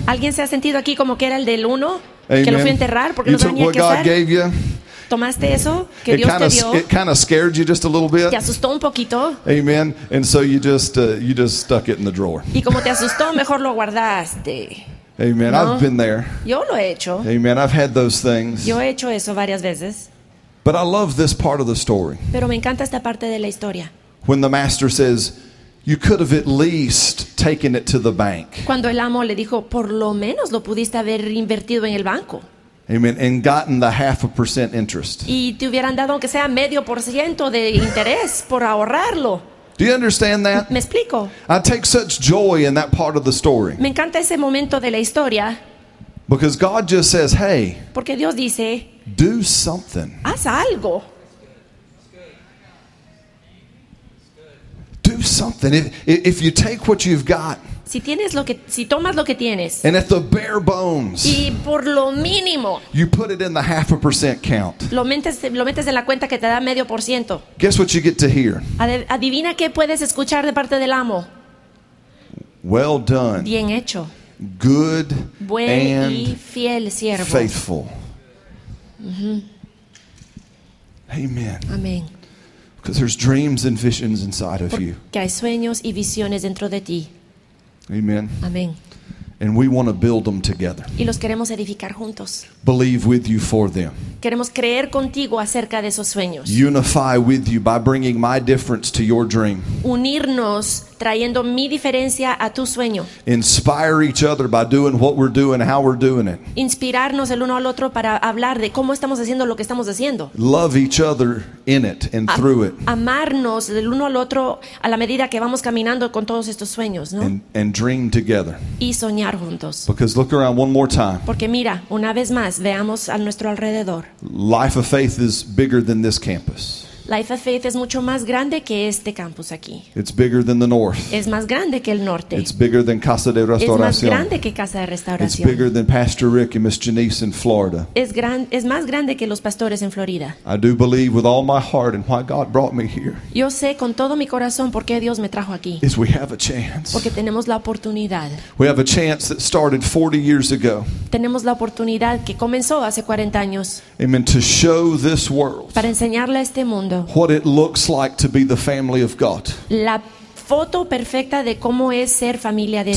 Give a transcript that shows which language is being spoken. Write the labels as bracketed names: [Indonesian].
[Spanish] ¿Alguien se ha sentido aquí como que era el del uno? [English] Amen. [Spanish] Que lo fui a enterrar porque [English] you [Spanish] no tenía que hacer. Tomaste eso que Dios te dio. [English] It kind of scared you just a little bit. [Spanish] Te asustó un poquito. [English] Amen. And so you just stuck it in the drawer. [Spanish] Y como te asustó, mejor lo guardaste. [English] Amen. [Spanish] ¿No? [English] I've been there. [Spanish] Yo lo he hecho. [English] Amen. I've had those things. [Spanish] Yo he hecho eso varias veces. [English] But I love this part of the story. [Spanish] Pero me encanta esta parte de la historia. [English] When the master says, you could have at least taken it to the bank. [Spanish] Cuando el amo le dijo, por lo menos lo pudiste haber invertido en el banco. [English] Amen. And gotten the 0.5% interest. [Spanish] Y te hubieran dado aunque sea 0.5% de interés por ahorrarlo. [English] Do you understand that? [Spanish] Me explico. [English] I take such joy in that part of the story. [Spanish] Me encanta ese momento de la historia. [English] Because God just says, hey. [Spanish] Porque Dios dice. [English] Do something. [Spanish] Haz algo. [English] Do something. If you take what you've got. [Spanish] Si tienes lo que, si tomas lo que tienes, [English] and at the bare bones, [Spanish] y por lo mínimo, [English] you put it in the 0.5% count. [Spanish] Lo metes en la cuenta que te da 0.5%. [English] Guess what you get to hear? [Spanish] Adivina qué puedes escuchar de parte del amo. [English] Well done. [Spanish] Bien hecho. [English] Good. [Spanish] Buen [English] and [Spanish] y fiel siervo. [English] Faithful. Mm-hmm. Amen. Amen. Because there's dreams and visions inside of you. [Spanish] Porque hay sueños y visiones dentro de ti. [English] Amen. Amen. And we want to build them together. [Spanish] Y los queremos edificar juntos. [English] Believe with you for them. [Spanish] Queremos creer contigo acerca de esos sueños. [English] Unify with you by bringing my difference to your dream. [Spanish] Unirnos trayendo mi diferencia a tu sueño. [English] Inspire each other by doing what we're doing, how we're doing it. [Spanish] Inspirarnos el uno al otro para hablar de cómo estamos haciendo lo que estamos haciendo. [English] Love each other in it and through it. [Spanish] Amarnos el uno al otro a la medida que vamos caminando con todos estos sueños, ¿no? [English] And dream together. [Spanish] Y soñar juntos. [English] Because look around one more time. [Spanish] Porque mira, una vez más, veamos a nuestro alrededor. [English] Life of faith is bigger than this campus. [Spanish] Life of Faith es mucho más grande que este campus aquí. [English] It's bigger than the north. [Spanish] Es más grande que el norte. [English] It's bigger than Casa de Restauración. [Spanish] Es más grande que Casa de Restauración. [English] It's bigger than Pastor Rick and Miss Janice in Florida. [Spanish] Es más grande que los pastores en Florida. [English] I do believe with all my heart and why God brought me here. [Spanish] Yo sé con todo mi corazón por qué Dios me trajo aquí. [English] Is we have a chance. [Spanish] Porque tenemos la oportunidad. [English] We have a chance that started 40 years ago. [Spanish] Tenemos la oportunidad que comenzó hace 40 años. [English] Amen. To show this world. [Spanish] Para enseñarle a este mundo. [English] What it looks like to be the family of God. [Spanish] La foto perfecta de cómo es ser familia de